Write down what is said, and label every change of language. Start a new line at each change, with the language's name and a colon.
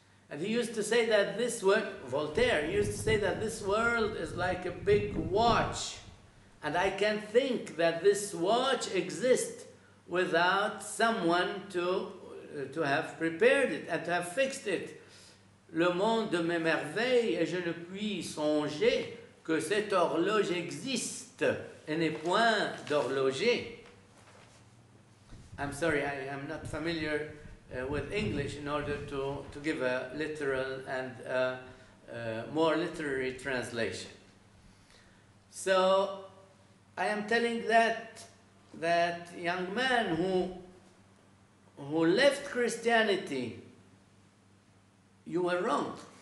English: And he used to say that this world, Voltaire, he used to say that this world is like a big watch. And I can't think that this watch exists without someone to have prepared it and to have fixed it.
French: Le monde m'émerveille et je ne puis songer que cette horloge existe et n'est point d'horloger.
English: I'm sorry, I am not familiar with English in order to give a literal and more literary translation. So I am telling that young man who left Christianity, you were wrong.